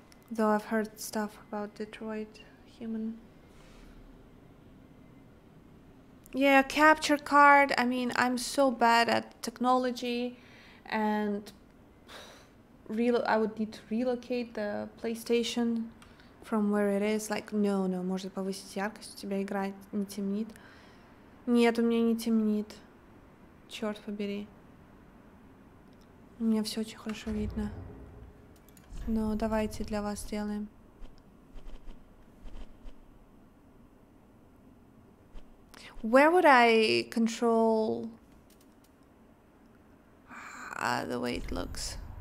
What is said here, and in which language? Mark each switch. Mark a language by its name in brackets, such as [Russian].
[English] Though I've heard stuff about Detroit Human. Yeah, capture card. I mean, I'm so bad at technology and I would need to relocate the PlayStation from where it is. Like, no, [Russian] может повысить яркость, у тебя игра не темнит. Нет, у меня не темнит. Черт побери. У меня все очень хорошо видно. Ну, давайте для вас сделаем. [English] Where would I control the way it looks?